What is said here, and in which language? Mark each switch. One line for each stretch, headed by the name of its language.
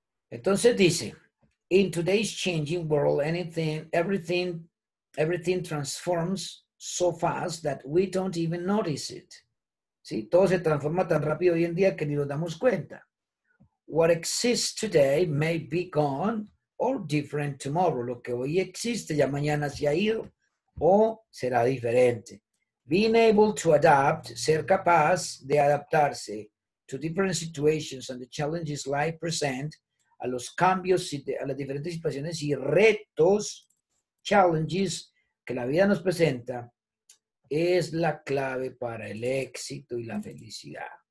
Spanish: Entonces dice,
English: in today's changing world, everything transforms so fast that we don't even notice it.
Spanish: ¿Sí? Todo se transforma tan rápido hoy en día que ni nos damos cuenta.
English: What exists today may be gone or different tomorrow.
Spanish: Lo que hoy existe ya mañana se ha ido o será diferente.
English: Being able to adapt,
Spanish: ser capaz de adaptarse
English: to different situations and the challenges life present,
Spanish: a los cambios, a las diferentes situaciones y retos, challenges que la vida nos presenta, es la clave para el éxito y la felicidad.